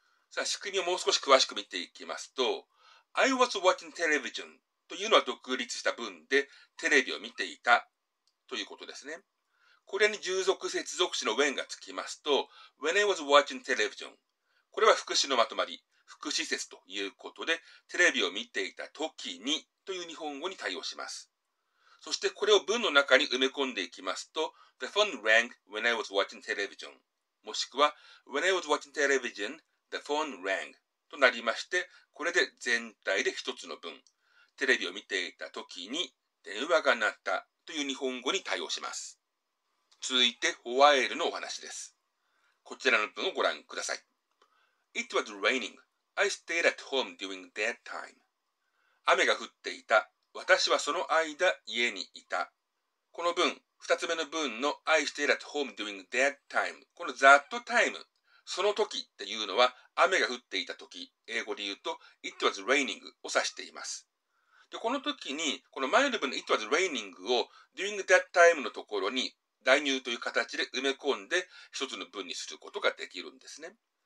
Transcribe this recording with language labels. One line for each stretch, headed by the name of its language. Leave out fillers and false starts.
Japanese: さあ、仕組みをもう少し詳しく見ていきますと、
English: I was watching television
Japanese: というのは独立した文で、テレビを見ていたということですね。これに従属接続詞の when がつきますと、
English: when I was watching television、
Japanese: これは副詞のまとまり、副詞節ということで、テレビを見ていた時にという日本語に対応します。そしてこれを文の中に埋め込んでいきますと、
English: the phone rang when I was watching television、
Japanese: もしくは
English: when I was watching television, the phone rang。
Japanese: となりまして、これで全体で一つの文、テレビを見ていた時に電話が鳴ったという日本語に対応します。続いて、ホワイルのお話です。こちらの文をご覧ください。
English: It was raining. I stayed at home during that time.
Japanese: 雨が降っていた。私はその間家にいた。この文、二つ目の文の
English: I stayed at home during that time。
Japanese: この that time、その時っていうのは、雨が降っていた時、英語で言うと
English: It was raining
Japanese: を指しています。で、この時にこの前の文の
English: It was raining
Japanese: を
English: During that time
Japanese: のところに代入という形で埋め込んで一つの文にすることができるんですね。